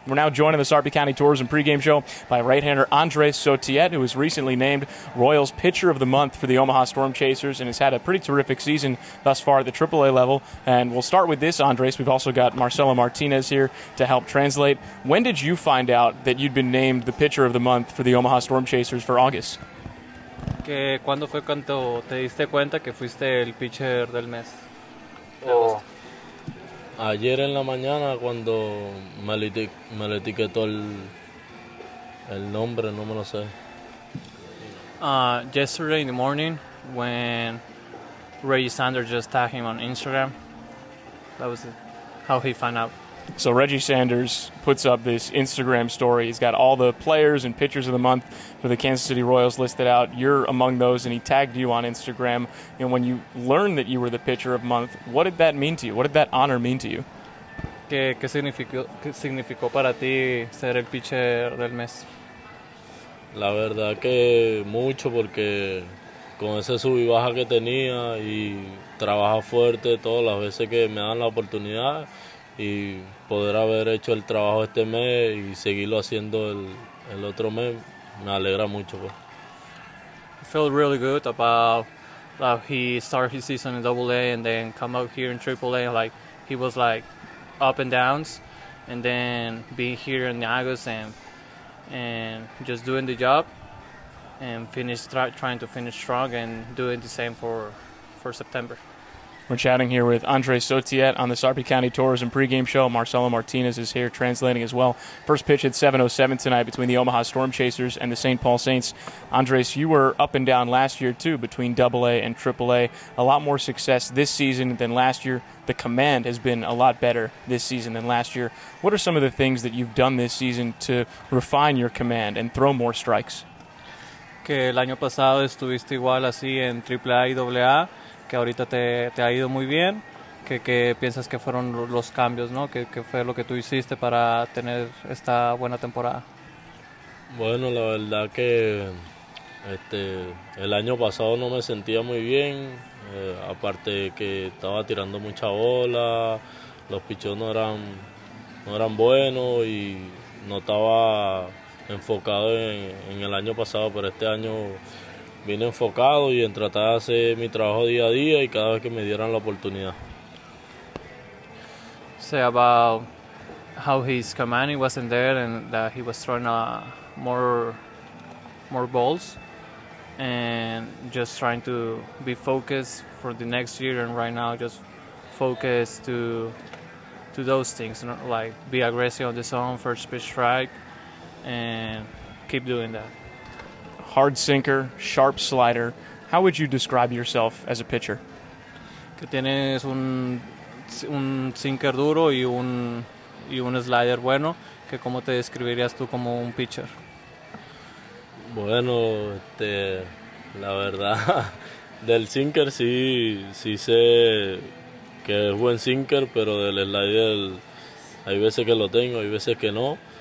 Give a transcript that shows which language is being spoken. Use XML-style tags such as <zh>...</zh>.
<en>We're now joined in the Sarpy County Tourism Pregame Show by right-hander Andres Sotiet, who was recently named Royals Pitcher of the Month for the Omaha Storm Chasers and has had a pretty terrific season thus far at the AAA level. And we'll start with this, Andres. We've also got Marcelo Martinez here to help translate. When did you find out that you'd been named the pitcher of the month for the Omaha Storm Chasers for August?</en> <es>¿Qué cuándo fue cuando te diste cuenta que fuiste el pitcher del mes? Oh. Ayer en la mañana cuando me le etiquetó el nombre, no me lo sé.</es> <en>Yesterday in the morning when Reggie Sanders just tagged him on Instagram. That was how he found out. So Reggie Sanders puts up this Instagram story. He's got all the players and pitchers of the month for the Kansas City Royals listed out. You're among those, and he tagged you on Instagram. And when you learned that you were the pitcher of the month, what did that mean to you? What did that honor mean to you?</en> <es>¿Qué significó para ti ser el pitcher del mes? La verdad que mucho, porque con ese sub y baja que tenía y trabaja fuerte todas las veces que me dan la oportunidad, y poder haber hecho el trabajo este mes y seguirlo haciendo el otro mes, me alegra mucho.</es> <en>I feel really good about that he started his season in AA and then come out here in AAA. Like, he was like up and downs, and then being here in August and just doing the job and trying to finish strong and doing the same for September. We're chatting here with Andres Sotiet on the Sarpy County Tourism Pregame Show. Marcelo Martinez is here translating as well. First pitch at 7:07 tonight between the Omaha Storm Chasers and the St. Paul Saints. Andres, you were up and down last year too between AA and AAA. A lot more success this season than last year. The command has been a lot better this season than last year. What are some of the things that you've done this season to refine your command and throw more strikes?</en> <es>Que el año pasado estuviste igual así en AAA y AA. Que ahorita te ha ido muy bien, que piensas que fueron los cambios, ¿no? Que fue lo que tú hiciste para tener esta buena temporada. Bueno, la verdad que el año pasado no me sentía muy bien, aparte que estaba tirando mucha bola, los pichos no eran buenos y no estaba enfocado en el año pasado, pero este año vine enfocado y en tratar de hacer mi trabajo día a día y cada vez que me dieran la oportunidad.</es> <en>Say about how his command wasn't there and that he was throwing more balls and just trying to be focused for the next year and right now just focus to those things, like be aggressive on the zone, first pitch strike, and keep doing that. Hard sinker, sharp slider. How would you describe yourself as a pitcher?</en> <es>Que tienes un sinker duro y un slider bueno. Que cómo te describirías tú como un pitcher? Bueno, la verdad del sinker sí sé que es buen sinker, pero del slider hay veces que lo tengo, hay veces que no.</es>